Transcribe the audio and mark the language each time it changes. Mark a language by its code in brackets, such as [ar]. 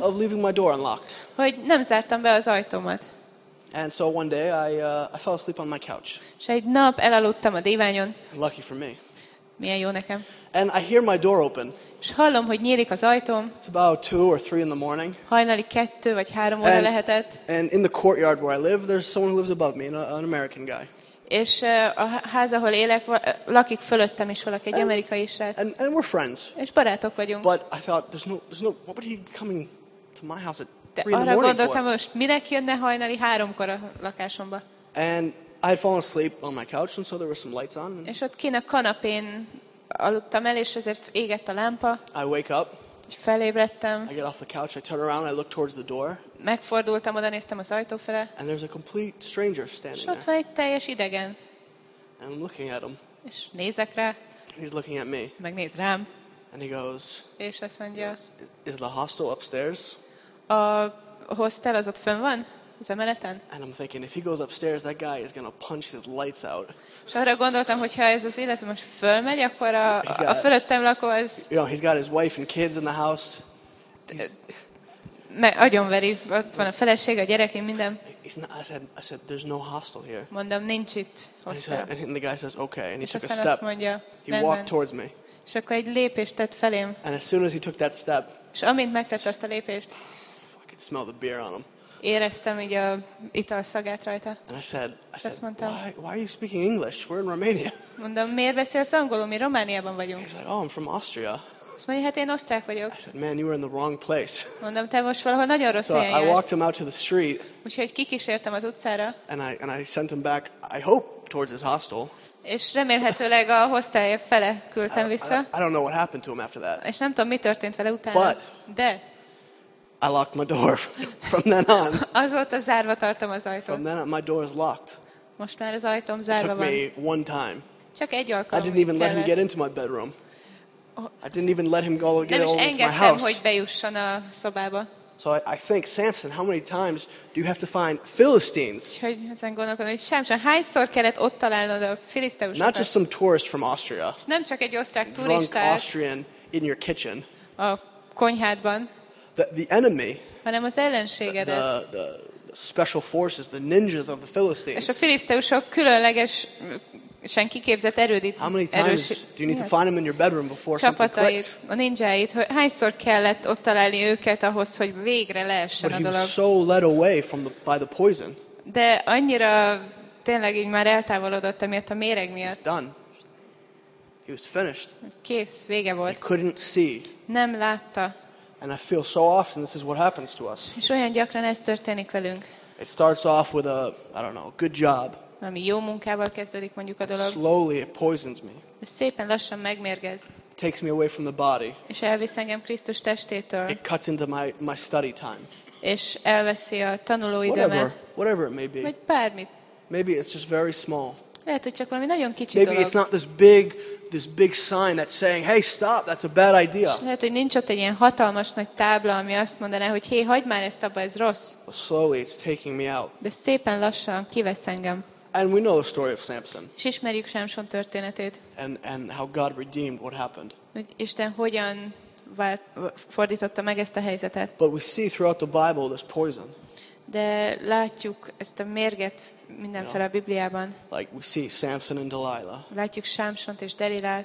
[en] Of leaving my door unlocked. [hu] Hogy nem zártam be az ajtómat. [en] And so one day I fell asleep on my couch. [hu] És egy nap elaludtam a diványon. [en] Lucky for me. [hu] Milyen jó nekem. [en] And I hear my door open. [hu] És hallom, hogy nyílik az ajtóm. [en] It's about 2 or 3 in the morning. [hu] Hajnali 2 vagy 3 óra lehetett. [en] And in the courtyard where I live, there's someone who lives above me, an American guy. [hu] És a ház, ahol élek, lakik fölöttem is valaki, egy amerikai srác. [en] And we're friends. [hu] És barátok vagyunk. [en] But I thought, there's no, what would he be coming to my house at 3 in the morning for? [hu] De arra gondoltam, most minek jönne hajnali 3-kor a lakásomba. [en] And I had fallen asleep on my couch, and so there were some lights on. [hu] És ott kint a kanapén aludtam el, és ezért égett a lámpa. [en] I wake up. [hu] Felébredtem. [en] I get off the couch, I turn around, I look towards the door. [hu] Megfordultam, oda néztem az ajtó felé. [en] And there's a complete stranger standing there. [hu] És ott van egy teljes idegen. [en] And I'm looking at him. [hu] És nézek rá. [en] He's looking at me. [hu] Megnéz rám. [en] And he goes. [hu] És azt mondja. [en] Is the hostel upstairs? [hu] A hostel az ott fönn van? Az emeleten? [en] And I'm thinking, if he goes upstairs, that guy is gonna punch his lights out. [hu] És arra gondoltam, hogy ha ez az életem most fölmegy, akkor a fölöttem lakó az. [en] You know, he's got his wife and kids in the house. [hu] Agyonveri, ott van a felesége, a gyerekei, minden. [en] I said, there's no hostel here. [hu] Mondom, nincs itt hostel. [en] And the guy says, okay, and he [hu] és [en] took a step. [hu] Mondja, [en] he walked towards me. [hu] És akkor egy lépést tett felém. [en] And as soon as he took that step. [hu] És amint megtett azt a lépést. [en] I could smell the beer on him. [hu] Éreztem így a italszagát rajta. [en] And I said, [hu] mondtam, [en] why are you speaking English? We're in Romania. [hu] Mondom, miért beszélsz angolul? Mi Romániában vagyunk. [en] He said, oh, I'm from Austria. [hu] Azt mondja, hát én osztrák vagyok. [en] I said, man, you were in the wrong place. [hu] Mondom, te most valahol nagyon rossz helyen jársz. [en] So I walked him out to the street. [hu] Úgyhogy kikísértem az utcára. [en] And I sent him back, I hope, towards his hostel. [hu] És remélhetőleg a hostelje fele küldtem vissza. [en] I don't know what happened to him after that. [hu] És nem tudom, mi történt vele utána. [en] But, [hu] de [en] I locked my door from then on. [hu] Azóta zárva tartom az ajtót. [en] From then on, my door is locked. [hu] Most már az ajtóm zárva van. [en] It took me one time. [hu] Csak egy alkalom. [en] I didn't even let him get into my bedroom. I didn't even let him go get into my house. [hu] Nem is engedtem, hogy bejusson a szobába. [en] So I think, Samson, how many times do you have to find Philistines? [hu] Hogy ezen gondolkodom, hogy Samson, hányszor kellett ott találnod a filiszteusokat? [en] Not just some tourist from Austria. [hu] Nem csak egy osztrák turista. [en] Drunk Austrian in your kitchen. [hu] A konyhádban. [en] The enemy, [hu] hanem az ellenségedet. [en] The special forces, the ninjas of the Philistines. [hu] És a filiszteusok különleges, sen kiképzett erődít. [en] How many times do you need to find them in your bedroom before something clicks? [hu] A ninjáit, hányszor kellett ott találni őket ahhoz, hogy végre leessen a dolog. [en] But he was so led away by the poison. [hu] De annyira tényleg így már eltávolodott emiatt a méreg miatt. [en] He's done. He was finished. [hu] Kész, vége volt. [en] He couldn't see. [hu] Nem látta. [en] And I feel so often this is what happens to us. [hu] És olyan gyakran ez történik velünk. [en] It starts off with a, I don't know, good job. [hu] Valami jó munkával kezdődik mondjuk a dolog. [en] Slowly it poisons me. [hu] És szépen lassan megmérgez. [en] It takes me away from the body. [hu] És elvisz engem Krisztus testétől. [en] It cuts into my study time. [hu] És elveszi a tanulóidőmet. [en] Whatever it may be. [hu] Vagy bármit. [en] Maybe it's just very small. [hu] Lehet, hogy csak valami nagyon kicsi [en] Maybe [hu] dolog. [en] It's not this big sign that's saying, hey, stop, that's a bad idea. [hu] Lehet, hogy nincs ott egy ilyen hatalmas nagy tábla, ami azt mondaná, hogy hey, hagyd már ezt abba, ez rossz. [en] But slowly it's taking me out. [hu] De szépen lassan kivesz engem. [en] And we know the story of Samson. [hu] És ismerjük Samson történetét. [en] And how God redeemed what happened. [hu] Hogy Isten hogyan fordította meg ezt a helyzetet. [en] But we see throughout the Bible this poison. [hu] De látjuk ezt a mérget mindenféle a Bibliában. [en] Like we see Samson and Delilah. [hu] Látjuk Samsont és Delilát.